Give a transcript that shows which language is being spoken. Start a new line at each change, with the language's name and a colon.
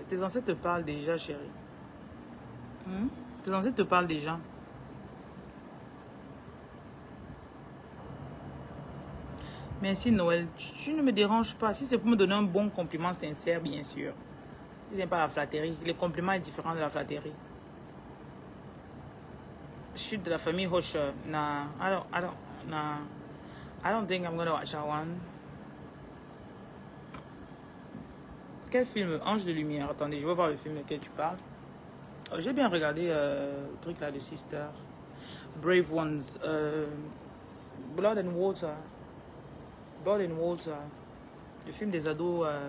French: Tes ancêtres te parlent déjà, chérie. Hmm? Tes ancêtres te parlent déjà. Merci Noël, tu ne me déranges pas. Si c'est pour me donner un bon compliment sincère, bien sûr. Si ce n'est pas la flatterie, le compliment est différent de la flatterie. Je suis de la famille Hoche.
English: I don't think I'm going to watch that one.
French: Quel film? Ange de lumière. Attendez, je veux voir le film de quel tu parles. Oh, j'ai bien regardé le truc là de Sister. Brave Ones. Blood and Water. Blood and Water. Le film des ados.